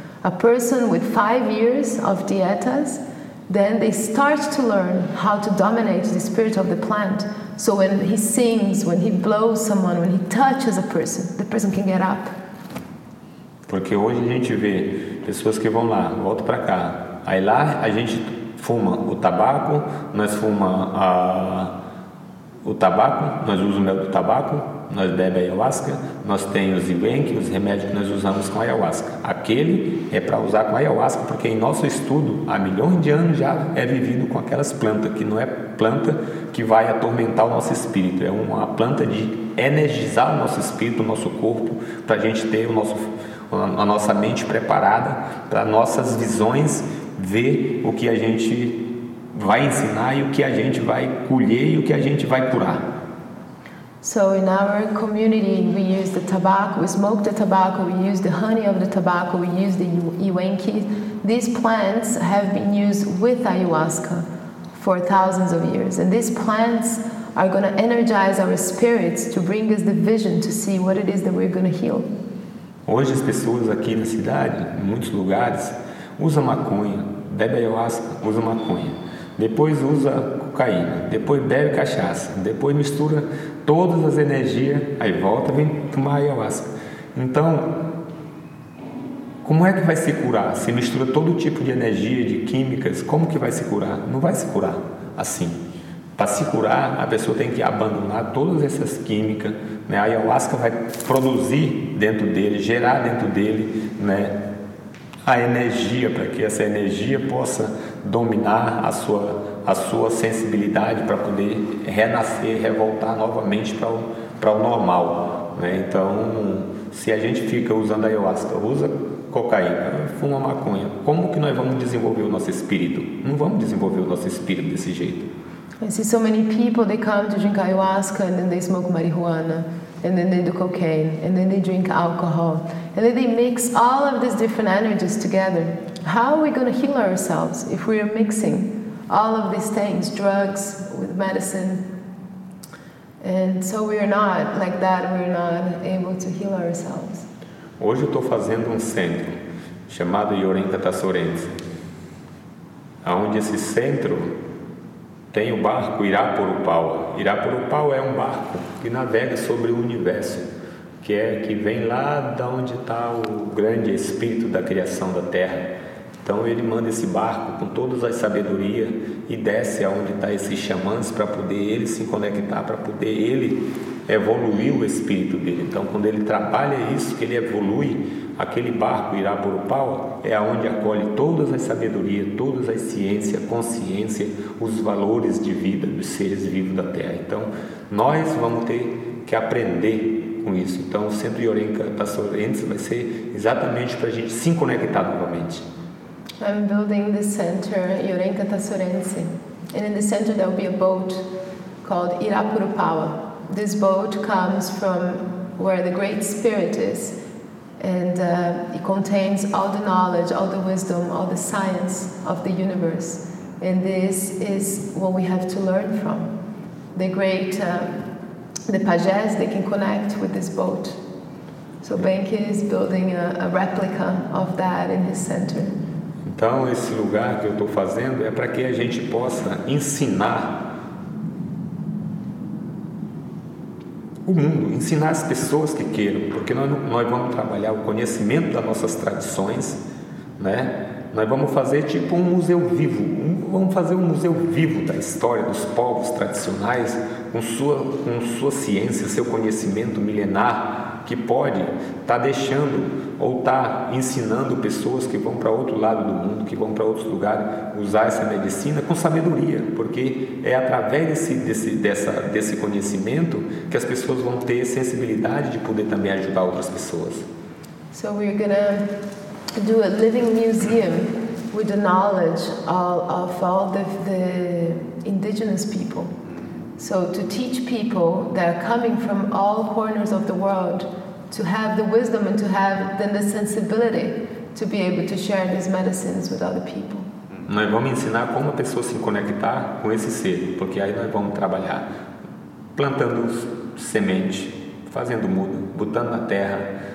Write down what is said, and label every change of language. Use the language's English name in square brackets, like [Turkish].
[English] A person with 5 years of dietas, then they start to learn how to dominate the spirit of the plant. So when he sings, when he blows someone, when he touches a person, the person can get up. [Portuguese] Porque hoje a gente vê pessoas que vão lá, volta para cá. Aí lá a gente fuma o tabaco, nós fuma a... O tabaco, nós usamos o mel do tabaco, nós bebemos ayahuasca, nós temos os ibenque, os remédios que nós usamos com ayahuasca. Aquele é para usar com ayahuasca, porque em nosso estudo, há milhões de anos já é vivido com aquelas plantas, que não é planta que vai atormentar o nosso espírito, é uma planta de energizar o nosso espírito, o nosso corpo, para a gente ter a nossa mente preparada, para nossas visões ver o que a gente vai ensinar e o que a gente vai colher e o que a gente vai curar. [English] So in our community we use the tobacco, we smoke the tobacco, we use the honey of the tobacco, we use the iwenki. These plants have been used with ayahuasca for thousands of years. And these plants are going to energize our spirits to bring us the vision to see what it is that we're going to heal. [Portuguese] Hoje as pessoas aqui na cidade, em muitos lugares, usam maconha, bebem ayahuasca, usam maconha. Depois usa cocaína, depois bebe cachaça, depois mistura todas as energias, aí volta e vem tomar ayahuasca. Então, como é que vai se curar? Se mistura todo tipo de energia, de químicas, como que vai se curar? Não vai se curar assim. Para se curar, a pessoa tem que abandonar todas essas químicas, né? A ayahuasca vai produzir dentro dele, gerar dentro dele, né, a energia, para que essa energia possa dominar a sua sensibilidade, para poder renascer, revoltar novamente para o normal, né? Então, se a gente fica usando ayahuasca, usa cocaína, fuma maconha, como que nós vamos desenvolver o nosso espírito? Não vamos desenvolver o nosso espírito desse jeito. [English] I see so many people, they come to drink ayahuasca and then they smoke marijuana and then they do cocaine and then they drink alcohol. And then they mix all of these different energies together. How are we going to heal ourselves if we are mixing all of these things, drugs with medicine? And so we are not like that, we are not able to heal ourselves. [Portuguese] Hoje eu estou fazendo centro chamado Yorenka Tassorense, onde esse centro tem o barco Irapurupaua. Irapurupaua é um barco que navega sobre o universo, que vem lá de onde está o grande espírito da criação da Terra. Então ele manda esse barco com todas as sabedorias e desce aonde está esses xamãs para poder ele se conectar, para poder ele evoluir o espírito dele. Então quando ele trabalha isso, que ele evolui, aquele barco Irapurupaua é aonde acolhe todas as sabedorias, todas as ciências, consciência, os valores de vida dos seres vivos da Terra. Então nós vamos ter que aprender com isso. Então o Centro Yorenka Pastor Enes vai ser exatamente para a gente se conectar novamente. [English] I'm building the center Yorenka Tasorense, and in the center there will be a boat called Irapurupaua. This boat comes from where the Great Spirit is, and it contains all the knowledge, all the wisdom, all the science of the universe. And this is what we have to learn from. The great, the pajés, they can connect with this boat. So Benke is building a replica of that in his center. [Portuguese] Então, esse lugar que eu estou fazendo é para que a gente possa ensinar o mundo, ensinar as pessoas que queiram, porque nós vamos trabalhar o conhecimento das nossas tradições, né? Nós vamos fazer tipo um museu vivo, vamos fazer um museu vivo da história dos povos tradicionais, com sua ciência, seu conhecimento milenar, que pode estar deixando ou estar ensinando pessoas que vão para outro lado do mundo, que vão para outros lugares, usar essa medicina com sabedoria, porque é através desse conhecimento que as pessoas vão ter sensibilidade de poder também ajudar outras pessoas. [English] So we're gonna do a living museum with the knowledge of all the indigenous people. So to teach people that are coming from all corners of the world to have the wisdom and to have then the sensibility to be able to share these medicines with other people. [Portuguese] Nós vamos ensinar como a pessoa se conectar com esse ser, porque aí nós vamos trabalhar plantando semente, fazendo muda, botando na terra.